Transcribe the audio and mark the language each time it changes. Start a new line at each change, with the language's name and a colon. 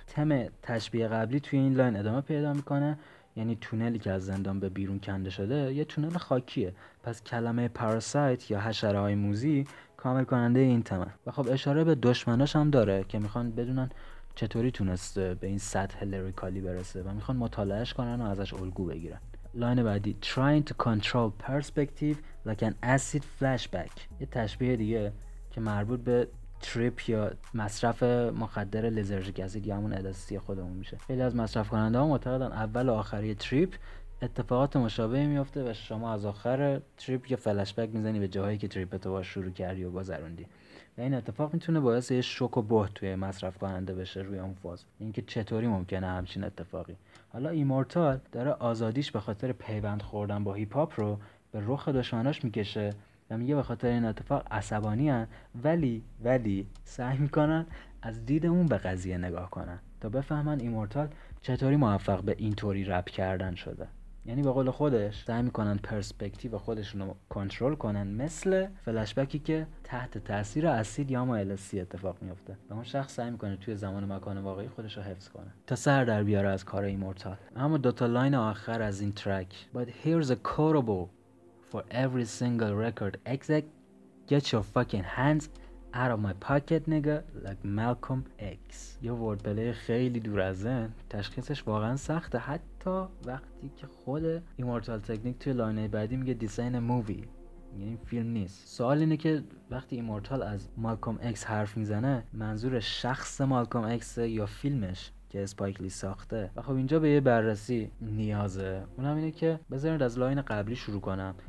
Persian: تم تشبیه قبلی توی این لاین ادامه پیدا میکنه، یعنی تونلی که از زندان به بیرون کنده شده یه تونل خاکیه، پس کلمه پاراسایت یا حشره های موزی کامل کننده این تمه. و خب اشاره به دشمناش هم داره که میخوان بدونن چطوری تونسته به این سطح لیریکالی برسه و میخوان مطالعهش کنن و ازش الگو بگیرن. لاین بعدی
English: trying to control perspective like an acid flashback.
Persian: یه تشبیه دیگه که مربوط به تریپ یا مصرف مخدر لیزرژیک اسید یا همون LSD خودمون میشه. خیلی از مصرف کننده ها معتقدن اول و آخری تریپ اتفاقات مشابهی میفته و شما از آخر تریپ یا فلشبک میزنی به جاهایی که تریپتو باش شروع کردی و گذروندی. و این اتفاق میتونه باعث یه شوک و بهت توی مصرف کننده بشه روی اون فاز، اینکه چطوری ممکنه همچین اتفاقی. حالا ایمورتال داره آزادیش به خاطر پیوند خوردن با هیپ هاپ رو به رخ دشمناش میکشه و میگه به خاطر این اتفاق عصبانی هن، ولی سعی میکنن از دیدمون به قضیه نگاه کنن تا بفهمن ایمورتال چطوری موفق به اینطوری رپ کردن شده. یعنی به قول خودش سعی میکنن پرسپکتیو خودشونو کنترل کنن، مثل فلشبکی که تحت تاثیر اسید یا LSD اتفاق میفته و اون شخص سعی میکنه توی زمان و مکان واقعی خودشو حفظ کنه تا سر در بیاره از کار ایمورتال. اما دوتا لاین آخر از این ترک
English: but here's a quotable for every single record exec get your fucking hands out of my pocket nigga like Malcolm X.
Persian: یه وردپلی خیلی دور از ذهن، تشخیصش واقعا سخته حتی وقتی که خود ایمورتال تکنیک توی لاینه بعدی میگه دیزاین مووی، یعنی فیلم نیست. سوال اینه که وقتی ایمورتال از مالکوم اکس حرف میزنه منظور شخص مالکوم اکس یا فیلمش که اسپایکلی ساخته؟ و خب اینجا به یه بررسی نیازه، اونم اینه که بذارید از لاین قبلی شروع کنم.